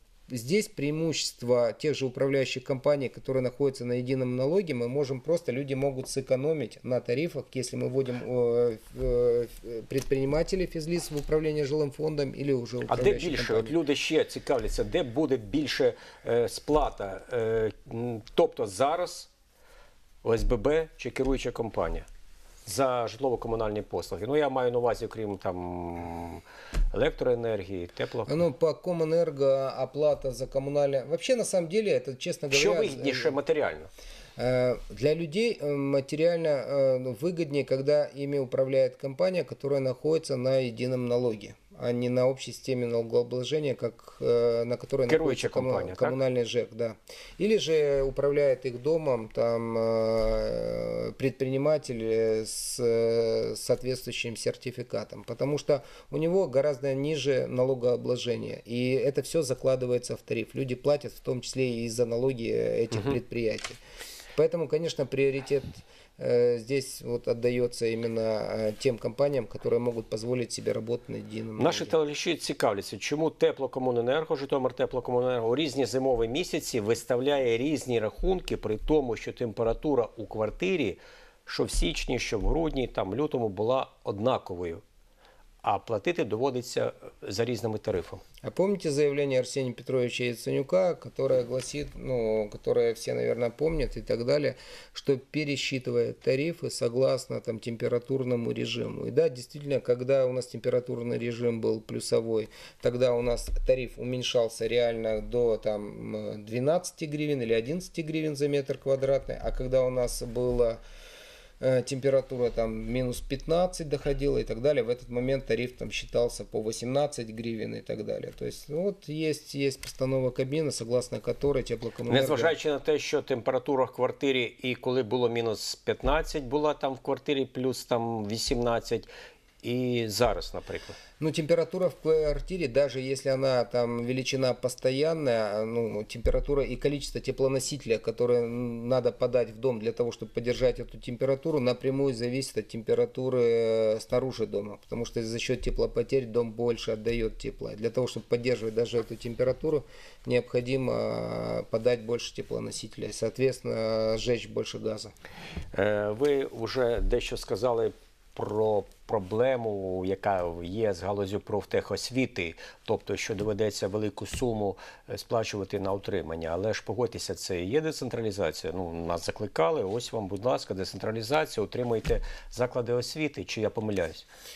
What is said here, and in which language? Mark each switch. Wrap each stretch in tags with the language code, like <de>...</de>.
<ru>Здесь преимущество тех же управляющих компаний, которые находятся на едином налоге, мы можем просто, люди могут сэкономить на тарифах, если мы вводим предпринимателей физлиц в управление жилым фондом или уже управляющие компании. А где больше? Люди еще цікавляться, где будет больше сплата?</ru> <uk>Тобто зараз ОСББ чи керуюча компания за житлово-комунальні послуги? Ну, я маю на увазі, крім там электроэнергии, тепло.</uk> <ru>Ну, по Комэнерго оплата за коммунальные... Вообще, на самом деле, это, честно говоря... Что выгоднейше материально? Для людей материально выгоднее, когда ими управляет компания, которая находится на едином налоге, а не на общей системе налогообложения, как на которой</ru> <uk>Керуюча</uk> <ru>компания, коммунальный ЖЭК. Да. Или же управляет их домом там предприниматель с соответствующим сертификатом. Потому что у него гораздо ниже налогообложение. И это все закладывается в тариф. Люди платят в том числе и за налоги этих предприятий. Поэтому, конечно, приоритет здесь вот отдается именно тем компаниям, которые могут позволить себе работать на едином.</ru> <uk>Наши телеглядачі цікавляться, чому Теплокомуненерго, Житомиртеплокомуненерго у різні зимові місяці виставляє різні рахунки при тому, що температура у квартирі, що в січні, що в грудні, там в лютому була однаковою. а платити доводиться за різними тарифами.</uk> <ru>А помните заявление Арсения Петровича Яценюка, которое гласит, ну, которое все, наверное, помнят и так далее, что пересчитывает тарифы согласно там температурному режиму. И да, действительно, когда у нас температурный режим был плюсовой, тогда у нас тариф уменьшался реально до там 12 гривен или 11 гривен за метр квадратный, а когда у нас было температура там минус 15 доходила и так далее, в этот момент тариф там считался по 18 гривен и так далее. То есть вот есть постанова Кабміну, согласно которой теплокоммунерго...</ru> <uk>Незважаючи на те, що температура в квартирі і коли було мінус 15, була там в квартирі плюс там 18 і зараз, наприклад.</uk> <ru>Ну, температура в квартире, даже если она там величина постоянная, ну, температура и количество теплоносителя, которое надо подать в дом для того, чтобы поддержать эту температуру, напрямую зависит от температуры снаружи дома. Потому что за счет теплопотерь дом больше отдает тепла. Для того, чтобы поддерживать даже эту температуру, необходимо подать больше теплоносителя. Соответственно, сжечь больше газа.</ru> <uk>Вы уже дещо сказали про проблему, яка є з галузю профтехосвіти, тобто, що доведеться велику суму сплачувати на утримання. Але ж погодьтеся, це є децентралізація? Ну, нас закликали, ось вам, будь ласка, децентралізація, утримуйте заклади освіти, чи я помиляюсь?</uk>